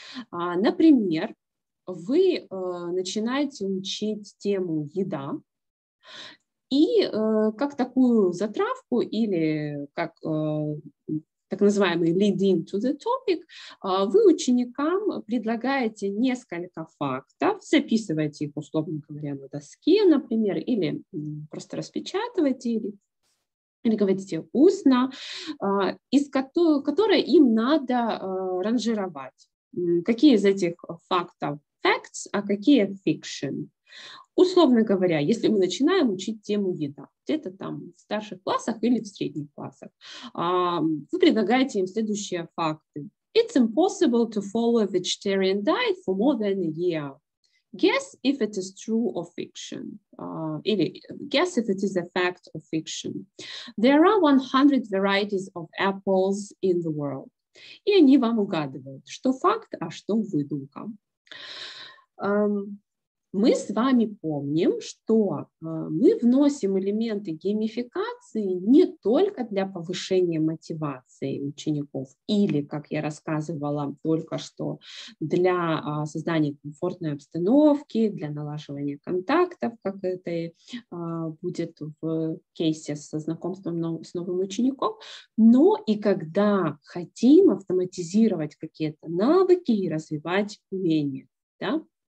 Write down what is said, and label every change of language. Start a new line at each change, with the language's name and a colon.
Russian: Например, вы начинаете учить тему «Еда», и как такую затравку или как так называемый
English: «lead into the topic»,
Russian: вы ученикам предлагаете несколько фактов, записываете их, условно говоря, на доске, например, или просто распечатываете, или говорите устно, которые им надо ранжировать. Какие из этих фактов facts, а какие fiction? Условно говоря, если мы начинаем учить тему еда, где-то там в старших классах или в средних классах, вы предлагаете им следующие факты.
English: It's impossible to follow a vegetarian diet for more than a year. Guess if it is true or fiction. Или guess if it is a fact or fiction. There are 100 varieties of apples in the world.
Russian: И они вам угадывают, что факт, а что выдумка. Мы с вами помним, что мы вносим элементы геймификации не только для повышения мотивации учеников или, как я рассказывала только что, для создания комфортной обстановки, для налаживания контактов, как это будет в кейсе со знакомством с новым учеником, но и когда хотим автоматизировать какие-то навыки и развивать умения, да?